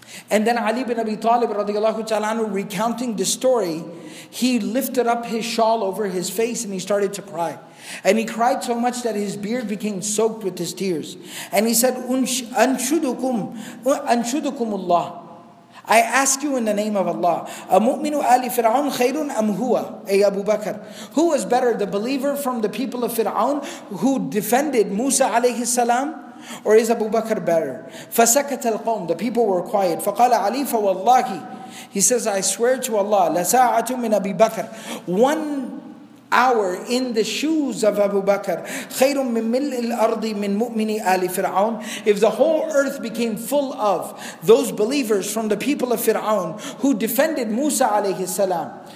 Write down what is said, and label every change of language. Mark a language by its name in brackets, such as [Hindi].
[English] And then Ali bin Abi Talib radiallahu ta'ala anhu, recounting the story, he lifted up his shawl over his face and he started to cry. And he cried so much that his beard became soaked with his tears. And he said, [Arabic] أنشدكم الله. [English] I ask you in the name of Allah, [Arabic] أَمُؤْمِنُ آلِ فِرْعَوْنَ خَيْرٌ أَمْ هُوَ أي أبو بكر. [English] Who was better, the believer from the people of Fir'aun who defended Musa alayhi salam, Or is Abu Bakr better? [Arabic] فَسَكَتَ الْقَوْمُ [English] The people were quiet. [Arabic] فَقَالَ عَلِي فَوَاللَّهِ [English] He says, I swear to Allah, [Arabic] لَسَاعَةُ مِنْ أَبِي بَكْرِ [English] 1 hour in the shoes of Abu Bakr, [Arabic] خَيْرٌ مِنْ مِلْءِ الْأَرْضِ مِنْ مُؤْمِنِ آلِ فِرْعَوْنِ [English] If the whole earth became full of those believers from the people of Fir'aun who defended Musa alayhi salam,